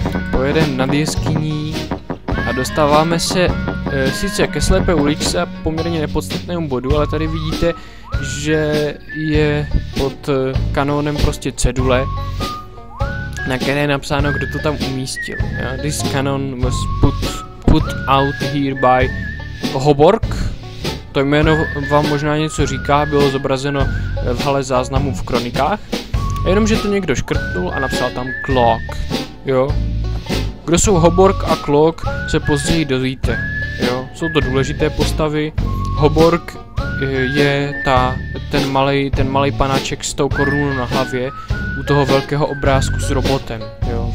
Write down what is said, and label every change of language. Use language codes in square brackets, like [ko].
[cs] Pojedem nad jeskyní a dostáváme se sice ke slepé uličce a poměrně nepodstatnému bodu, ale tady vidíte, že je pod kanónem prostě cedule, na které je napsáno, kdo to tam umístil. Jo? [en] This cannon was put out here by Hoborg. [cs] To jméno vám možná něco říká, bylo zobrazeno v hale záznamu v kronikách. Jenomže to někdo škrtnul a napsal tam Clock. Jo? Kdo jsou Hoborg a Clock, se později dozvíte. Jo? Jsou to důležité postavy. Hoborg je ten malý panáček s tou korunou na hlavě u toho velkého obrázku s robotem, jo.